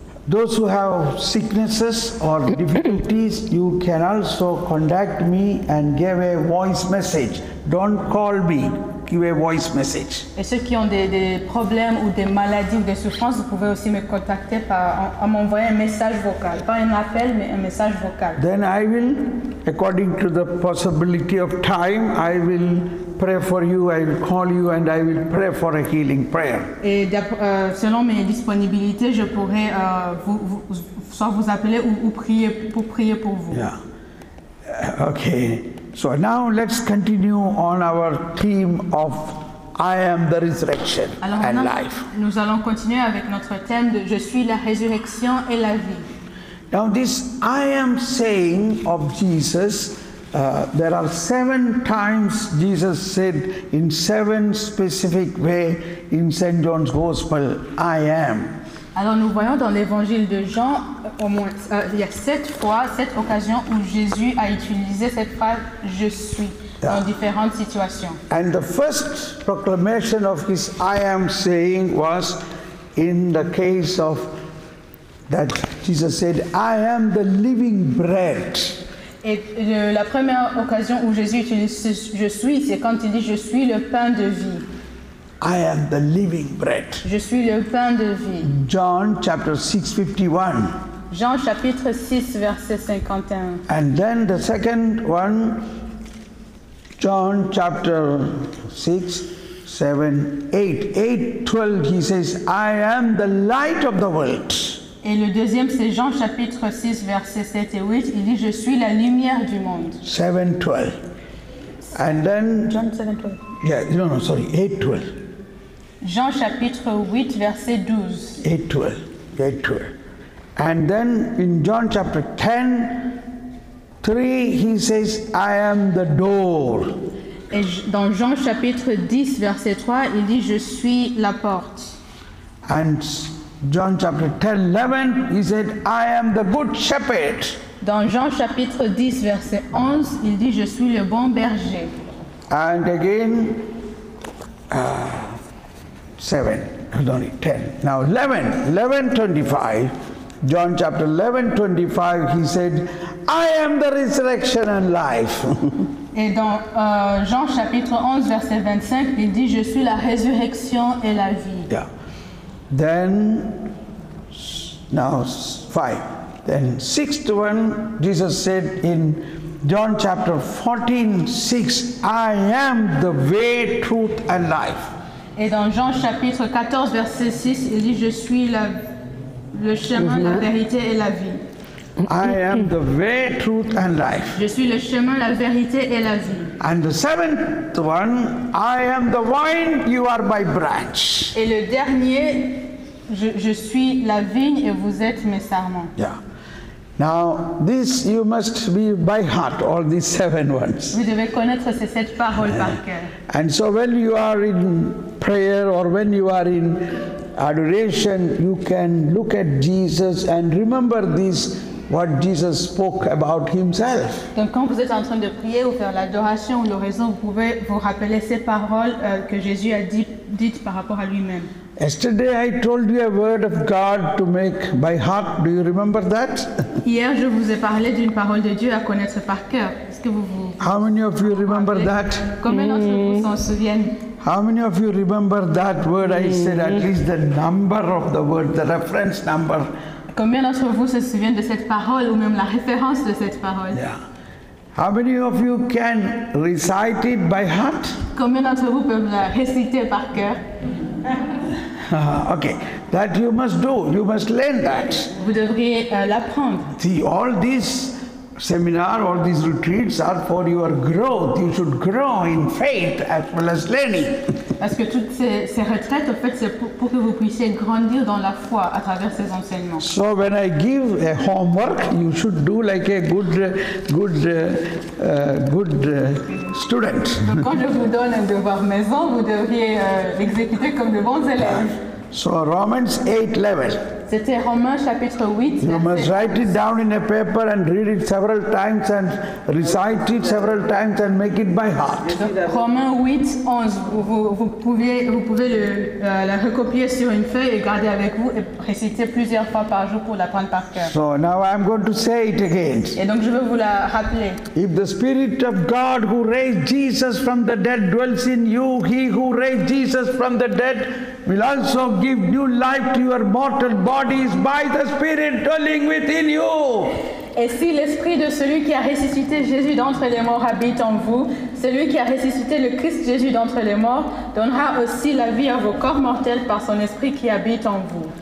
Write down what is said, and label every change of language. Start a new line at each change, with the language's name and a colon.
English: Those who have sicknesses or difficulties, you can also contact me and give a voice message. Don't call me. Give a voice message.
French: Et ceux qui ont des problèmes ou des maladies ou des souffrances, vous pouvez aussi me contacter en m'envoyant un message vocal. Pas un appel, mais un message vocal.
English: Then I will, according to the possibility of time, I will pray for you, I will call you and I will pray for a healing prayer.
French: Et selon mes disponibilités, je pourrai soit vous appeler ou prier pour vous.
English: Yeah. Okay. So now let's continue on our theme of I am the resurrection and life.
French: Nous allons continuer avec notre thème de Je suis la résurrection et la vie.
English: Now this I am saying of Jesus, there are seven times Jesus said in seven specific way in St. John's Gospel, I am.
French: Alors nous voyons dans l'évangile de Jean, au moins, il y a sept occasions où Jésus a utilisé cette phrase « Je suis » dans différentes situations.
English: And the first proclamation of his I am saying was in the case of that Jesus said, I am the living bread.
French: Et la première occasion où Jésus utilise ce « Je suis », c'est quand il dit « Je suis le pain de vie ».
English: I am the living bread.
French: Je suis le pain de vie.
English: John chapter 6:51.
French: Jean chapitre 6 verset 51.
English: And then the second one, John chapter 6, 7, 8. 8:12, he says, I am the light of the world.
French: Et le deuxième, c'est Jean chapitre 6 verset 7 et 8. Il dit, je suis la lumière du monde.
English: 7:12. And then... John 7:12. Yeah, no, sorry, 8:12.
French: Jean chapitre 8 verset 12.
English: 8:12. And then in John chapter 10, 3, he says, I am the door.
French: Et dans Jean chapitre 10 verset 3, il dit, je suis la porte.
English: And John chapter 10, 11, he said, I am the good shepherd.
French: Dans Jean chapitre 10 verset 11, il dit, je suis le bon berger.
English: And again, 11:25, John chapter 11:25, he said, I am the resurrection and life.
French: Et dans Jean chapitre 11 verset 25, il dit, je suis la résurrection et la vie.
English: Yeah. Then, now five. Then sixth one, Jesus said in John chapter 14, 6, I am the way, truth, and life.
French: Et dans Jean chapitre 14, verset 6, il dit, je suis le chemin, la vérité et la vie.
English: I am the way, truth, and life.
French: Je suis le chemin, la vérité et la vie.
English: And the seventh one, I am the vine, you are my branch.
French: Et le dernier, je suis la vigne et vous êtes mes sarments.
English: Yeah. Now, this you must be by heart, all these seven ones.
French: Vous devez connaître ces sept paroles par cœur.
English: And so when you are in prayer or when you are in adoration, you can look at Jesus and remember this, what Jesus spoke about himself.
French: Donc quand vous êtes en train de prier ou faire l'adoration ou l'oraison, vous pouvez vous rappeler ces paroles que Jésus a dites par rapport à lui-même.
English: Yesterday I told you a word of God to make by heart. Do you remember that?
French: Hier je vous ai parlé d'une parole de Dieu à connaître par cœur. Est-ce que vous
English: How many of you remember that?
French: Combien d'entre vous s'en souviennent?
English: How many of you remember that word I said, at least the number of the word, the reference number?
French: Combien d'entre vous se souviennent de cette parole ou même la référence de cette parole?
English: Yeah. How many of you can recite it by heart?
French: Combien d'entre vous peuvent la réciter par cœur?
English: Okay, that you must do, you must learn that.
French: Vous devriez l'apprendre.
English: See, all these seminars, all these retreats are for your growth. You should grow in faith as well as learning.
French: Parce que toutes ces retraites, en fait, c'est pour que vous puissiez grandir dans la foi à travers ces enseignements.
English: So when I give a homework, you should do like a good student.
French: Donc quand je vous donne un devoir maison, vous devriez exécuter comme de bons élèves.
English: So Romans 8:11.
French: C'était Romains chapitre 8.
English: You must write it down in a paper and read it several times and recite it several times and make it by heart.
French: Romains 8:11. Vous pouvez la recopier sur une feuille et garder avec vous et réciter plusieurs fois par jour pour l'apprendre par cœur.
English: So now I'm going to say it again.
French: Et donc je vais vous la rappeler.
English: If the Spirit of God who raised Jesus from the dead dwells in you, he who raised Jesus from the dead will also give new life to your mortal bodies by the Spirit dwelling within you.
French: Et si l'esprit de celui qui a ressuscité Jésus d'entre les morts habite en vous, celui qui a ressuscité le Christ Jésus d'entre les morts donnera aussi la vie à vos corps mortels par son esprit qui habite en vous.